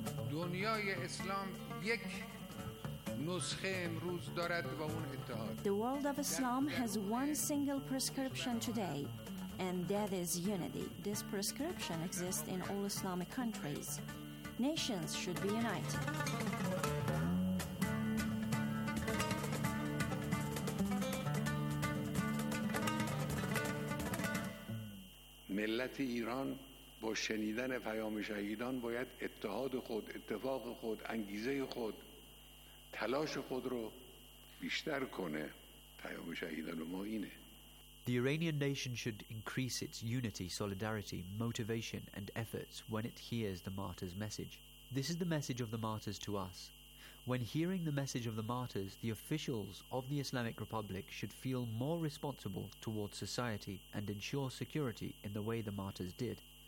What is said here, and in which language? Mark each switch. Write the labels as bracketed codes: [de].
[fa] دنیای اسلام یک نسخه امروز دارد و اون اتحاد. [en] The world of Islam has one single prescription today, and that is unity. This prescription exists in all Islamic countries. Nations should be united. [fa] ملت ایران با شنیدن پیام شهیدان باید اتحاد خود، اتفاق خود، انگیزه خود، تلاش خود رو بیشتر کنه. پیام شهیدان ما اینه. [en] The Iranian nation should increase its unity, solidarity, motivation, and efforts when it hears the martyrs' message. This is the message of the martyrs to us. When hearing the message of the martyrs, the officials of the Islamic Republic should feel more responsible towards society and ensure security in the way the martyrs did.